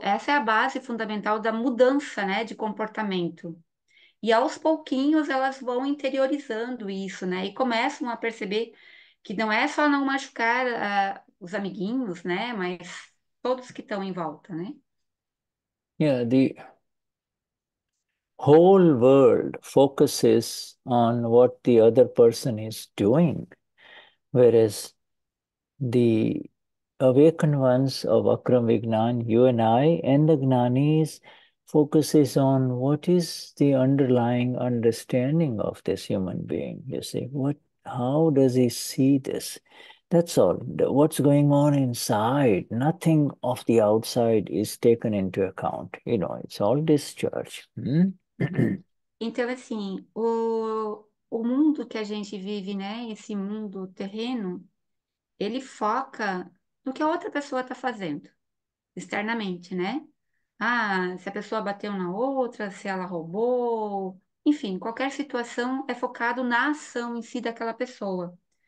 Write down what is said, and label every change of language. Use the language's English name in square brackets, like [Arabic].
[Portuguese] Essa é a base fundamental da mudança, né, de comportamento. E aos pouquinhos elas vão interiorizando isso, né, e começam a perceber que não é só não machucar os amiguinhos, né, mas todos que estão em volta, né? [English] Yeah, the whole world focuses on what the other person is doing, whereas the awakened ones of Akram Vignan, you and I, and the Gnanis focuses on what is the underlying understanding of this human being. You see, what, how does he see this? That's all. What's going on inside? Nothing of the outside is taken into account. You know, it's all discharge. [Portuguese] Então, assim, o mundo que a gente vive, né? Esse mundo terreno, ele foca no que a outra pessoa está fazendo, externamente, né? Ah, se a pessoa bateu na outra, se ela roubou, enfim, qualquer situação é focado na ação em si daquela pessoa.